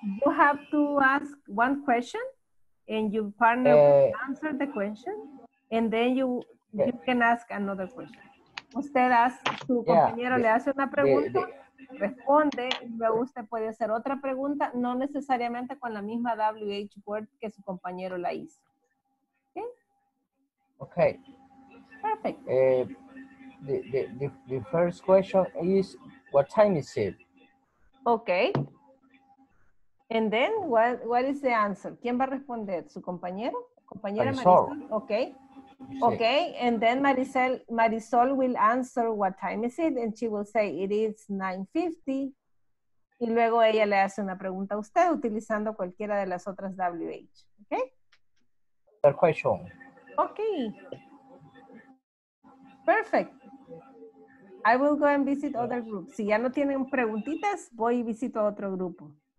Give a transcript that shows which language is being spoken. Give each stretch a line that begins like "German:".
English: You have to ask one question and your partner will answer the question and then you can ask another question.
Spanish: Usted hace, su compañero le hace una pregunta, responde, y luego usted puede hacer otra pregunta, no necesariamente con la misma WH word que su compañero la hizo.
English: Ok. Okay. Perfect. The first question is, what time is it? Okay. And then, what is the answer?
Spanish: ¿Quién va a responder? ¿Su compañero? ¿Compañera Marisol? Okay.
English: Okay, and then Marisol will answer what time is it, and she will say it is 9:50.
Spanish: Y luego ella le hace una pregunta a usted utilizando cualquiera de las otras WH.
English: Okay? Another question. Okay. Perfect. I will go and visit other groups.
Spanish: Si ya no tienen preguntitas, voy y visito a otro grupo.